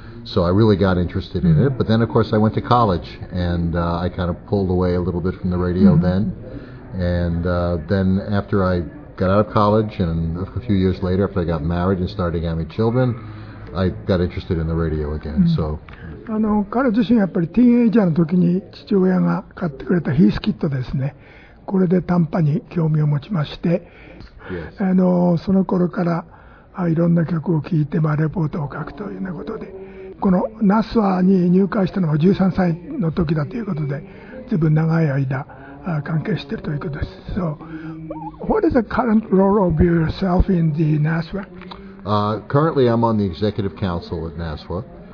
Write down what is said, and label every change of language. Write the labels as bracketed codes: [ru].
[en] So I really got interested in it. But then, of course, I went to college, and I kind of pulled away a little bit from the radio then. And then after I got out of college, and a few years later, after I got married and started having children, I got interested in the radio again. So, [ja] 彼自身やっぱりティーンエイジャーの時に父親が買ってくれたヒースキットですね。これで短波に興味を持ちまして、 [en] yes. [ja] その頃からいろんな曲を聴いて、まあ、レポートを書くというようなことで、このナスワに入会したのは13歳の時だということで、ずいぶん長い間関係しているということです。 [en] So, what is the current role of yourself in the NASWA? Currently, I'm on the executive council at NASWA.